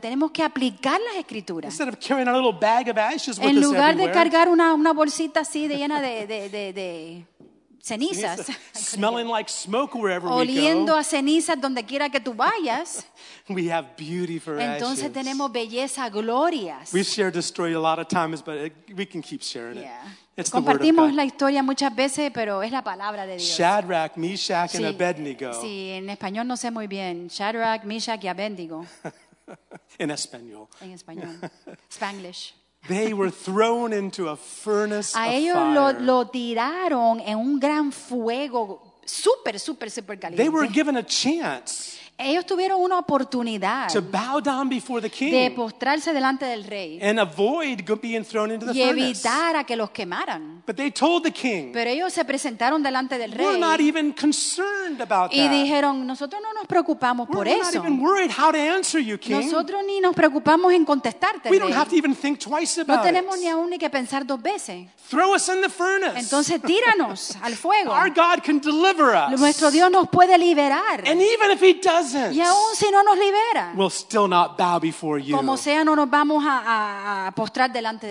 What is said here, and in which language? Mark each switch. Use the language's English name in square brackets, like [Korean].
[Spanish] Tenemos que aplicar las escrituras. [English] Instead of carrying a little bag of ashes with us everywhere. [Spanish] En lugar de cargar una bolsita así de llena de cenizas. [English] Smelling like smoke wherever we go. [Spanish] Oliendo a cenizas donde quiera que tú vayas. [English] We have beauty for ashes. [Spanish] Entonces tenemos belleza, glorias. [English] We shared the story a lot of times, but we can keep sharing it. Yeah. [Spanish] Compartimos la historia muchas veces, pero es la palabra de Dios. [English] Shadrach, Meshach, [Spanish] sí, [English] and Abednego. [Spanish] Sí, en español no sé muy bien. Shadrach, Meshach y Abednego. En español. En español. Spanglish. [English] They were thrown into a furnace of fire. [Spanish] A ellos lo tiraron en un gran fuego súper, súper, súper caliente. [English] They were given a chance. [Spanish] Ellos tuvieron una oportunidad [English] to bow down before the king [Spanish] de postrarse delante del rey [English] and avoid being thrown into the [Spanish] y evitar [English] furnace. [Spanish] A que los quemaran. [English] But they told the king, [Spanish] pero ellos se presentaron delante del rey [English] we're not even concerned about that. [Spanish] Y dijeron, nosotros no nos preocupamos [English] we're [Spanish] por [English] we're [Spanish] eso. [English] Not even worried how to answer you, king. [Spanish] Nosotros ni nos preocupamos en contestarte, [English] we don't have to even think twice about [Spanish] no tenemos ni aún ni que pensar dos veces. [English] Throw us in the furnace. [Spanish] Entonces tíranos al fuego. [English] Our God can deliver us. [Spanish] Nuestro Dios nos puede liberar. [English] And even if he does, [Spanish] y aún si no nos libera, [English] we'll still not bow before you. [Spanish] Como sea, no nos vamos a postrar delante de